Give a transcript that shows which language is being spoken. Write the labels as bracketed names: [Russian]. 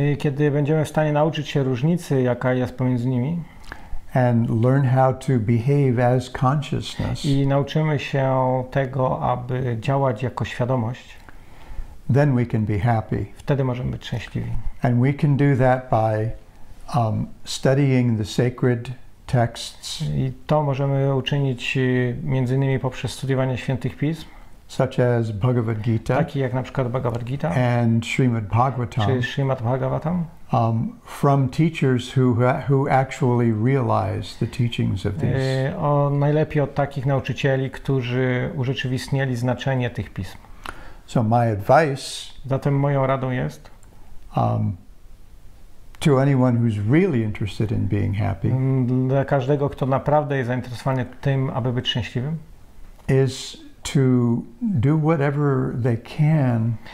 [Polish] kiedy będziemy w stanie nauczyć się różnicy, jaka jest pomiędzy nimi, [English] and learn how to behave as consciousness, [Polish] i nauczymy się tego, aby działać jako świadomość, [English] then we can be happy. [Polish] Wtedy możemy być szczęśliwi. [English] And we can do that by studying the sacred texts, [Polish] i to możemy uczynić między innymi poprzez studiowanie świętych pism, [English] such as Bhagavad Gita, [Polish] taki jak na przykład Bhagavad Gita, [English] and Srimad Bhagavatam, [Polish] czy Srimad Bhagavatam, [English] from teachers who actually realize the teachings of these. [Polish] O najlepiej od takich nauczycieli, którzy urzeczywistnili znaczenie tych pism. [English] So my advice, [Polish] zatem moją radą jest, [English] to anyone who's really interested in being happy, [Polish] dla każdego, kto naprawdę jest zainteresowany tym, aby być szczęśliwym, [English] is to do whatever they can,